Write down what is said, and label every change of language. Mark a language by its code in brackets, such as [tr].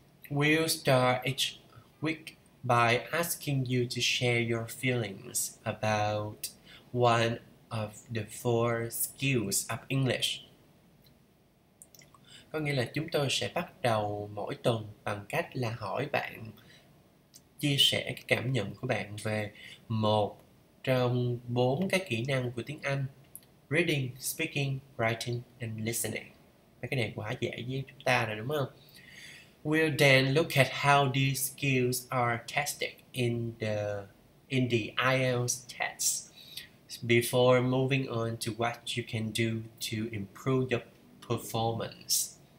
[en] We'll start each week by asking you to share your feelings about one of the four skills of English. [vi] Có nghĩa là chúng tôi sẽ bắt đầu mỗi tuần bằng cách là hỏi bạn chia sẻ cái cảm nhận của bạn về một trong bốn cái kỹ năng của tiếng Anh: [en] reading, speaking, writing and listening. [vi] Mấy cái này quá dễ với chúng ta rồi đúng không? [en] We'll then look at how these skills are tested in the IELTS test before moving on to what you can do to improve your performance.